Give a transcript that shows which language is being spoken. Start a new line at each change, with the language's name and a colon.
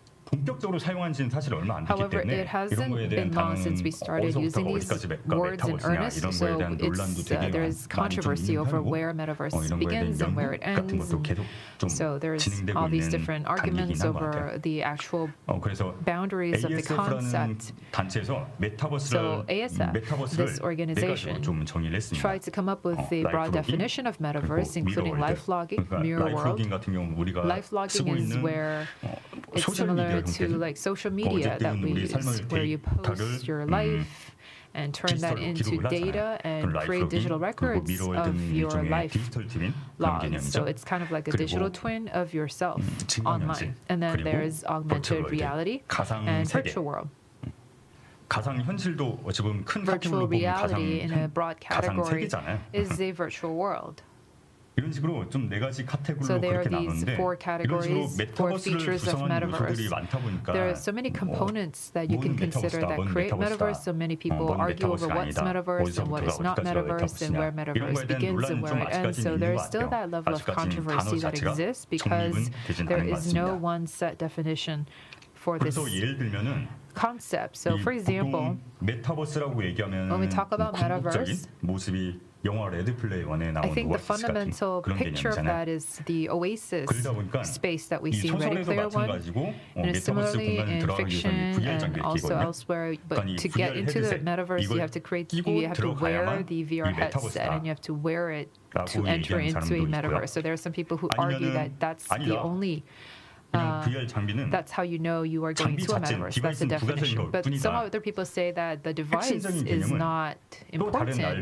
Korean: 본격적으로 사용한 지는 사실 얼마 안 됐기 때문에 이런 거에 대한 단어는 어디서부터 어디까지 메타버스냐 이런 거에 대한 논란도 되게 많이 좀 있는 거고 이런 거에 대한 연극 같은 것도 계속 좀 진행되고 있는 단계긴 한 것 같아요. 그래서 ASF라는 단체에서 메타버스를 좀 정의를 했습니다. 라이프로깅 라이프로깅 같은 경우 우리가 쓰고 있는 소셜미디어
English: to like social media that we use where you post your life and turn that into data and create digital records of your life logs. So it's kind of like a digital twin of yourself online. And then there's augmented reality and virtual world.
Korean: 가상 현실도 어찌 보면 큰 카테고리로 보면 가상 세계잖아요.
English: is a virtual world.
Korean: 이런 식으로 좀 네 가지 카테고리로 그렇게 나누는데 이런 식으로 메타버스를 구성하는 요소들이 많다 보니까
English: there are so many components that you can consider that create metaverse. So many people argue over what's metaverse and what is not metaverse and where metaverse begins and where it ends. So there is still that level of controversy that exists because there is no one set definition for this.
Korean: 그래서 예를 들면은
English: concept. So for example,
Korean: 메타버스라고 얘기하면
English: when we talk about metaverse,
Korean: 모습이 영화 레드플레이어 1에 나온 오아시스 같은 그런 개념이잖아요.
English: That is the oasis space that we see in Ready Player One.
Korean: 메타버스 공간에 들어가기 위해서는 VR 장비 끼고
English: also elsewhere, but to get into the metaverse, you have to create, you have to wear the VR headset and you have to wear it to enter into a metaverse. So there are some people who argue that that's the only
Korean: VR 장비는
English: that's how you know you are going to a metaverse. That's the definition. But some other people say that the device is not important.